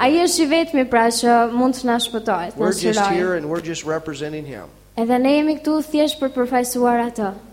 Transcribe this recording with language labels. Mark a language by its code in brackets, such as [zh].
[sq] Ai është i vetmi pra që mund të na shpëtojë. [en] We're just here and we're just representing him. [sq] Edhe ne jemi këtu thjesht për përfaqësuar atë.